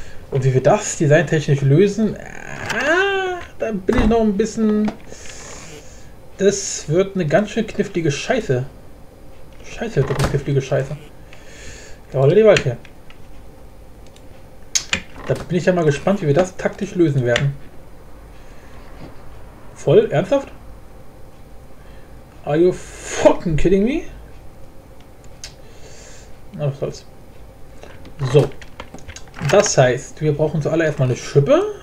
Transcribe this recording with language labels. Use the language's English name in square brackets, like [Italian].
[German] Und wie wir das designtechnisch lösen, da bin ich noch ein bisschen... Das wird eine ganz schön knifflige Scheiße. Scheiße, das wird eine knifflige Scheiße. Da war die Wald hier. Da bin ich ja mal gespannt, wie wir das taktisch lösen werden. Voll? Ernsthaft? [English] Are you fucking kidding me? [German] Na, was soll's. So. Das heißt, wir brauchen zuallererst mal eine Schippe.